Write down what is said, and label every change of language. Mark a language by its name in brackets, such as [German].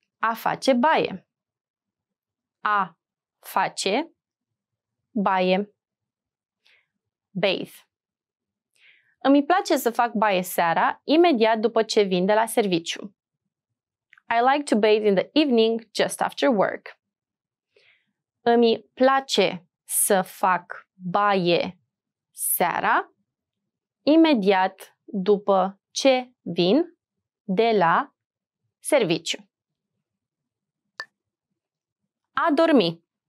[Romanian] A face baie. A face baie. [English] Bathe. [Romanian] Îmi place să fac baie seara, imediat după ce vin de la serviciu. [English] I like to bathe in the evening, just after work. [Romanian] Îmi place să fac baie seara, imediat după ce vin de la serviciu. A dormi.